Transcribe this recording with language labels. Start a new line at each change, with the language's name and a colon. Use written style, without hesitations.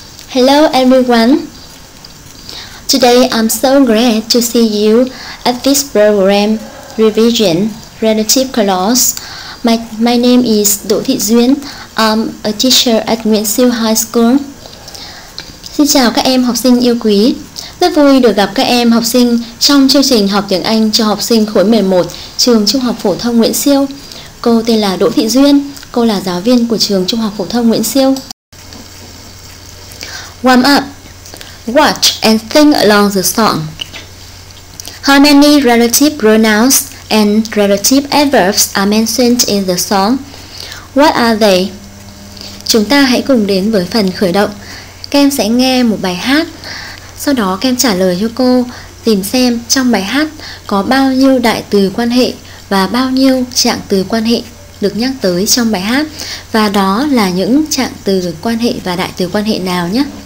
English: Hello everyone. Today I'm so glad to see you at this program, Revision Relative Clause. My name is Đỗ Thị Duyên. I'm a teacher at Nguyễn Siêu High School.
Vietnamese: Xin chào các em học sinh yêu quý. Rất vui được gặp các em học sinh trong chương trình học tiếng Anh cho học sinh khối 11 trường Trung học Phổ thông Nguyễn Siêu. Cô tên là Đỗ Thị Duyên. Cô là giáo viên của trường Trung học Phổ thông Nguyễn Siêu.
English: Warm up. Watch and think along the song. How many relative pronouns and relative adverbs are mentioned in the song? What are they?
Vietnamese: Chúng ta hãy cùng đến với phần khởi động. Kem sẽ nghe một bài hát, sau đó kem trả lời cho cô tìm xem trong bài hát có bao nhiêu đại từ quan hệ và bao nhiêu trạng từ quan hệ được nhắc tới trong bài hát, và đó là những trạng từ quan hệ và đại từ quan hệ nào nhé.